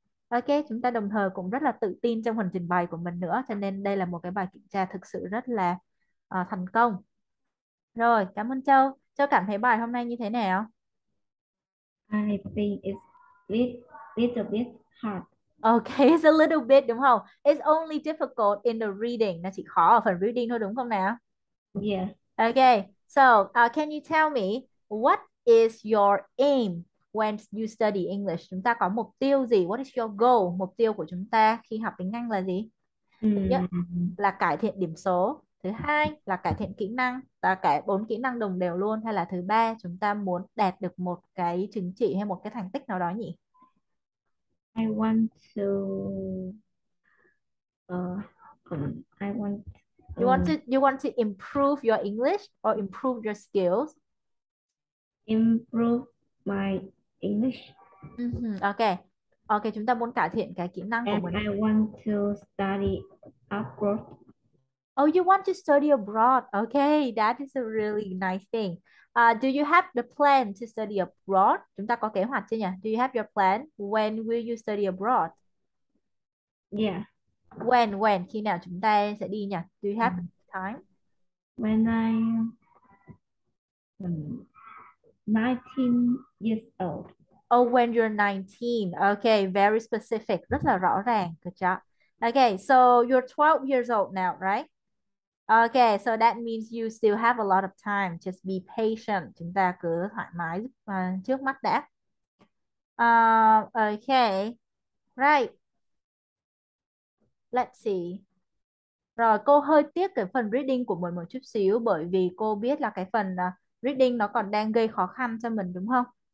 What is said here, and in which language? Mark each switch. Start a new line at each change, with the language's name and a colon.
Vietnamese: Ok, chúng ta đồng thời cũng rất là tự tin trong phần trình bày của mình nữa, cho nên đây là một cái bài kiểm tra thực sự rất là thành công. Rồi, cảm ơn Châu. Châu cảm thấy bài hôm nay như thế nào?
English: I think it's little bit hard. Okay, it's a little bit,
Vietnamese: đúng không?
English: It's only difficult in the reading.
Vietnamese: Nó chỉ khó ở phần reading thôi, đúng không nào?
English: Yeah. Okay, so can you tell me what is your aim when you study English?
Vietnamese: Chúng ta có mục tiêu gì?
English: What is your goal?
Vietnamese: Mục tiêu của chúng ta khi học tiếng Anh là gì? Là cải thiện điểm số. Thứ hai là cải thiện kỹ năng. Và cả bốn kỹ năng đồng đều luôn. Hay là thứ ba, chúng ta muốn đạt được một cái chứng chỉ hay một cái thành tích nào đó nhỉ?
English: You want to improve your English or improve your skills? Improve my English.
Vietnamese: Okay, chúng ta muốn cải thiện cái kỹ năng của
English: mình. And I want to study abroad. Oh, you want to study abroad. Okay, that is a really nice thing. Do you have the plan to study abroad?
Vietnamese: Chúng ta có kế hoạch chưa nhỉ?
English: Do you have your plan? When will you study abroad? Yeah. When?
Vietnamese: Khi nào chúng ta sẽ đi nhỉ?
English: Do you have time? When I am 19 years old. Oh, when you're 19. Okay, very specific.
Vietnamese: Rất là rõ ràng.
English: Good job. Okay, so you're 12 years old now, right? Okay, so that means you still have a lot of time. Just be patient.
Vietnamese: Chúng ta cứ thoải mái trước mắt đã. Okay, right.
English: Let's see.
Vietnamese: Rồi, cô hơi tiếc cái phần reading của mình một chút xíu bởi vì cô biết là cái phần reading nó còn đang gây khó khăn cho mình, đúng không?